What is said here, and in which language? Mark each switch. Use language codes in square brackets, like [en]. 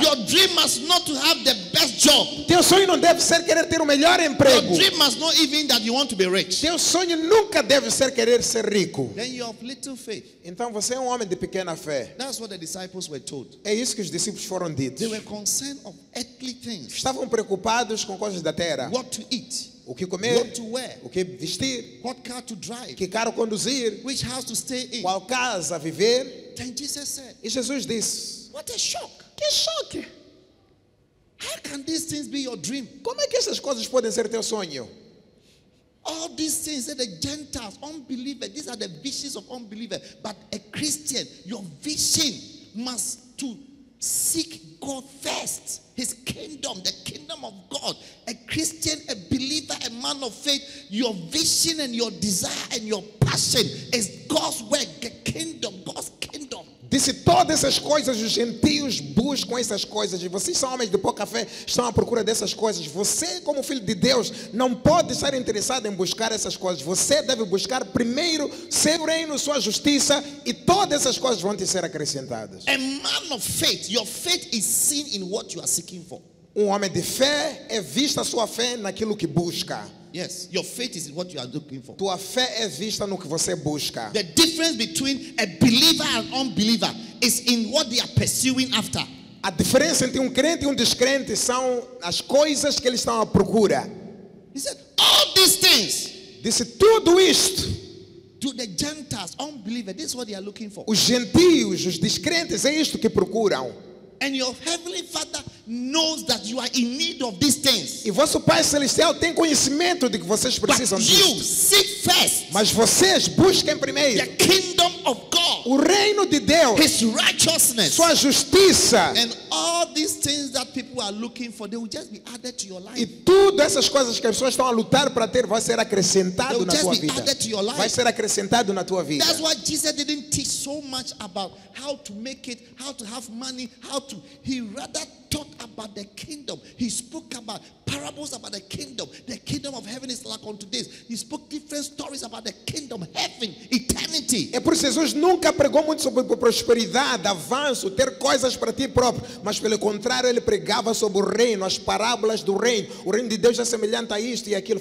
[en] Your dream must not to have the best job. [pt] Teu sonho não deve ser querer ter o melhor emprego. [en] Your dream must not even that you want to be rich. [pt] Teu sonho nunca deve ser querer ser rico. [en] Then you have little faith. [pt] Então você é um homem de pequena fé. [en] That's what the disciples were told. [pt] É isso que os discípulos foram ditos. [en] They were concerned of earthly things. [pt] Estavam preocupados com coisas da terra. [en] What to eat? [pt] O que comer? [en] What to wear? [pt] O que vestir? [en] What car to drive? [pt] Que carro conduzir? [en] Which house to stay in? [pt] Qual casa viver? [en] Then Jesus said. [pt] E Jesus disse. [en] What a shock! [pt] Que choque! [en] How can these things be your dream? [pt] Como é que essas coisas podem ser teu sonho? [en] All all these things that the Gentiles, unbelievers, these are the visions of unbelievers. But a Christian, your vision must to seek God first, His kingdom, the kingdom of God. A Christian, a believer, a man of faith, your vision and your desire and your passion is God's work, the kingdom, God's kingdom. [pt] Disse, todas essas coisas, os gentios buscam essas coisas. E vocês são homens de pouca fé, estão à procura dessas coisas. Você, como filho de Deus, não pode estar interessado em buscar essas coisas. Você deve buscar primeiro seu reino, sua justiça, e todas essas coisas vão te ser acrescentadas. [en] A man of faith, your faith is seen in what you are seeking for. [pt] Um homem de fé é vista a sua fé naquilo que busca. [en] Yes, your faith is what you are looking for. [pt] Tua fé é vista no que você busca. [en] The difference between a believer and unbeliever is in what they are pursuing after. [pt] A diferença entre crente e descrente são as coisas que eles estão à procura. [en] He said, all these things. [pt] Disse, tudo isto. [en] To the Gentiles, unbelievers, this is what they are looking for. [pt] Os gentios, os descrentes, é isto que procuram. [en] And your heavenly Father knows that you are in need of these things. [pt] E vosso Pai Celestial tem conhecimento de que vocês precisam disso. [en] But you seek first. [pt] Mas vocês busquem primeiro. [en] The kingdom of God. [pt] O reino de Deus. [en] His righteousness. [pt] Sua justiça. [en] And all these things that people are looking for, they will just be added to your life. [pt] E todas essas coisas que as pessoas estão a lutar para ter vai ser acrescentado na tua vida. [en] Added to your life. [pt] Vai ser acrescentado na tua vida. [en] That's why Jesus didn't teach so much about how to make it, how to have money, how to. He rather talked about the kingdom. He spoke about parables about the kingdom. The kingdom of heaven is like unto this. He spoke different stories about the kingdom, heaven, eternity. [pt] É por isso que Jesus nunca pregou muito sobre prosperidade, avanço, ter coisas para ti próprio. Mas pelo contrário, ele pregava sobre o reino, as parábolas do reino. O reino de Deus é semelhante a isto e aquilo.